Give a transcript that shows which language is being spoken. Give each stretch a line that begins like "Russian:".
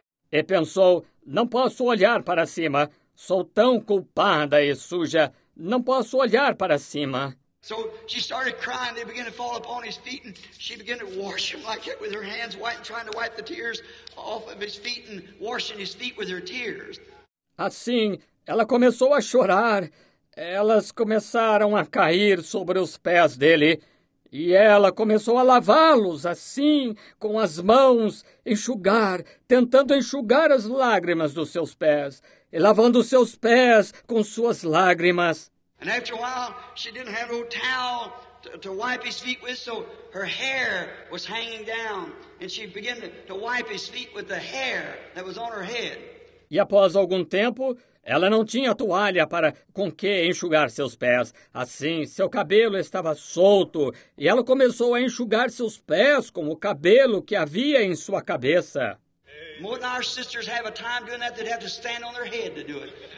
Portuguese: E pensou, não posso olhar para cima. Sou tão culpada e suja. Não posso olhar para cima.
English: So she started crying. They began to fall upon His feet, and she began to wash Him like it with her hands, white, trying to wipe the tears off of His feet and washing His feet with her tears.
Portuguese: Assim, ela começou a chorar. Elas começaram a cair sobre os pés dele, e ela começou a lavá-los assim, com as mãos, enxugar, tentando enxugar as lágrimas dos seus pés, e lavando os seus pés com suas lágrimas.
English: And after a while, she didn't have no towel to wipe His feet with, so her hair was hanging down. And she began to wipe His feet with the hair that was on her head.
Portuguese: E após algum tempo, ela não tinha toalha para com que enxugar seus pés. Assim, seu cabelo estava solto, e ela começou a enxugar seus pés com o cabelo que havia em sua cabeça.
English: Hey. More than our sisters have a time doing that, they'd have to stand on their head to do it.